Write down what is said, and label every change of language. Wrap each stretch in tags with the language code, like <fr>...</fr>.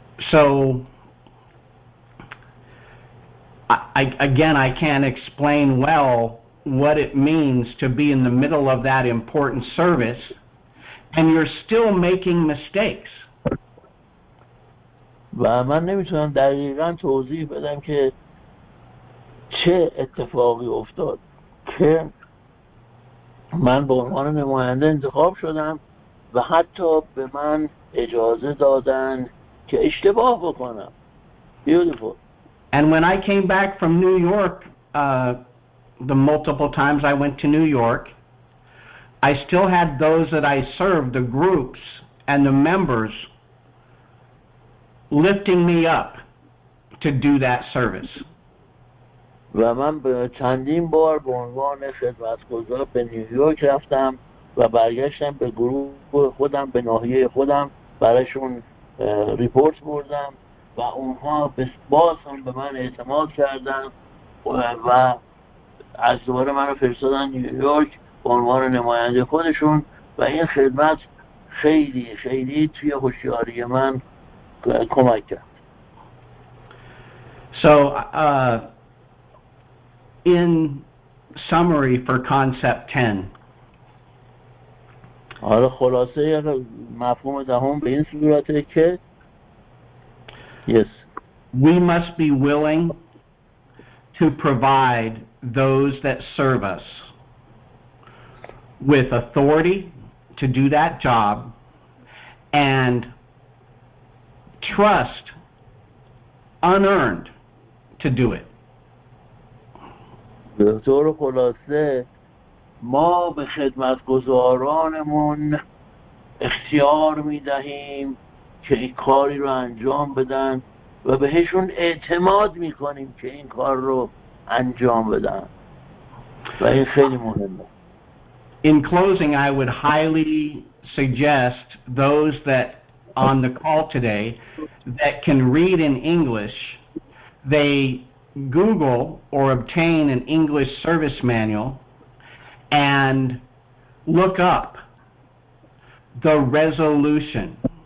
<en>So, I can't explain well what it means to be in the middle of that important service, and you're still making mistakes.</en> <fa>و من نمیتونم دقیقا توضیح بدم که چه اتفاقی افتاد که من به عنوان نماینده انتخاب شدم و حتی به من اجازه دادن که اشتباه بکنم.</fa> <en>Beautiful. And when I came back from New York, the multiple times I went to New York, I still had those that I served, the groups and the members, lifting me up to do that service.</en> <fa>و من چندین بار به عنوان خدمتگزار به نیویورک رفتم و برگشتم به گروه خودم، به ناحیه خودم، برایشون ریپورت بردم و اونها باز هم به من اعتماد کردن و از دوباره من رو فرستادن نیویورک به عنوان نماینده خودشون و این خدمت خیلی خیلی توی هوشیاری من کمک کرد.</fa> <en>So, in summary for concept 10,</en> <fa>آره خلاصه مفهوم دهم به این صورته که</fa> <en>yes we must be willing to provide those that serve us with authority to do that job and trust unearned to do it.</en> <fa>به طور خلاصه ما به خدمتگزارانمون اختیار میدهیم که این کاری رو انجام بدن و بهشون اعتماد میکنیم که این کار رو انجام بدن و این خیلی مهمه.</fa> <en>In closing, I would highly suggest those that on the call today that can read in English, they Google or obtain an English service manual and look up the resolution.</en>